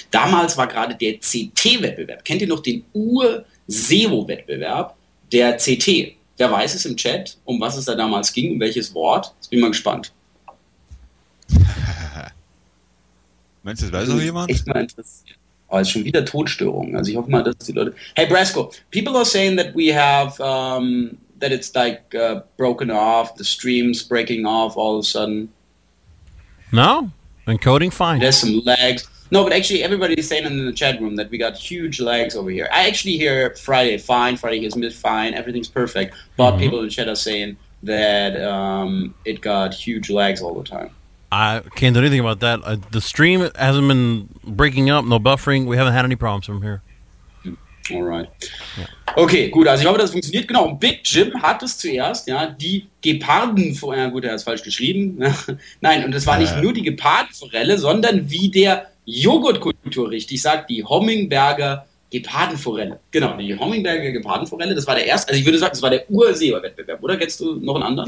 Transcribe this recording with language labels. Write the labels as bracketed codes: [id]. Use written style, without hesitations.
[de] Damals war gerade der CT-Wettbewerb. Kennt ihr noch den Ur-SEO-Wettbewerb der CT? Wer weiß es im Chat, um was es da damals ging, um welches Wort? Jetzt bin ich mal gespannt. Meinst du, das weiß noch jemand? Echt mal interessiert. Oh, ist schon wieder Tonstörung. Also ich hoffe mal, dass die Leute... [en] Hey, Brasco, people are saying that we have... that it's like broken off, the stream's breaking off all of a sudden. No, encoding fine. There's some lags. No, but actually everybody's saying in the chat room that we got huge lags over here. I actually hear Friday fine, Friday is mid fine, everything's perfect. But people in the chat are saying that it got huge lags all the time. I can't do anything about that. The stream hasn't been breaking up, no buffering. We haven't had any problems from here. All right. Yeah. Okay, [de] gut. Also ich hoffe, das funktioniert. Genau, Big Jim hat es zuerst, ja, die Gepardenforelle. Gut, er hat es falsch geschrieben. Nein, und es war nicht nur die Gepardenforelle, sondern wie der Joghurtkultur richtig sagt, die Hommingberger Gepardenforelle. Genau, die Hommingberger Gepardenforelle, das war der erste. Also ich würde sagen, das war der Ur-Seber-Wettbewerb, oder? Kennst du noch einen anderen?